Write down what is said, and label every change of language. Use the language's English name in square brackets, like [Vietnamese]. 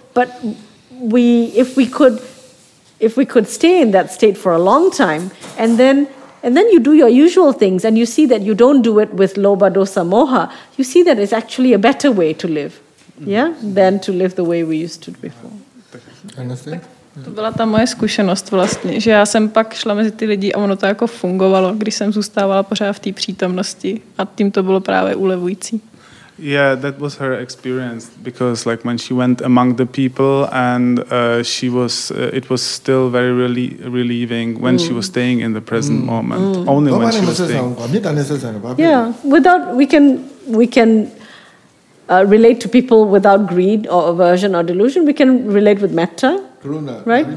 [English] But if we could stay in that state for a long time, and then you do your usual things, and you see that you don't do it with lobha, dosa, moha, you see that it's actually a better way to live, yeah, than to live the way we used to before. [Czech] To byla ta moje zkušenost vlastně, že já jsem pak šla mezi ty lidi a ono to jako fungovalo, když jsem zůstávala pořád v té přítomnosti a tím to bylo právě ulevující. [English] Yeah, that was her experience, because like when she went among the people and she was, it was still very relieving when she was staying in the present moment, only when she was staying. Yeah, without, we can relate to people without greed or aversion or delusion, we can relate with metta, right?